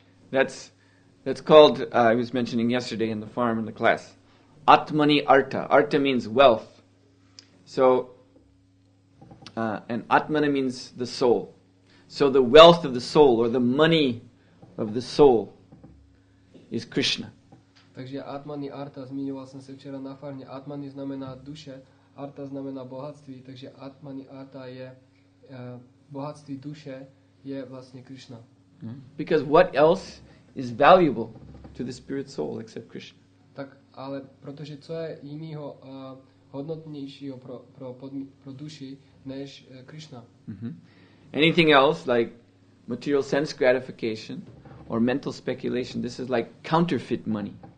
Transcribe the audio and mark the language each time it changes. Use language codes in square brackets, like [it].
[en] That's called, I was mentioning yesterday in the farm in the class, Atmani Arta. Arta means wealth. So, and Atmana means the soul. So the wealth of the soul, or the money of the soul, is Krishna. [cs] Takže Atmani Arta, zmiňoval jsem se včera na farmě, Atmani znamená duše, Arta znamená bohatství, takže Atmani Arta je bohatství duše, je vlastně Krishna. [en] Because what else is valuable to the spirit soul except Krishna? [cs] Tak, ale protože co je jinýho hodnotnějšího pro duši než Krishna? [en] Mm-hmm. Anything else like material sense gratification or mental speculation, this is like counterfeit money.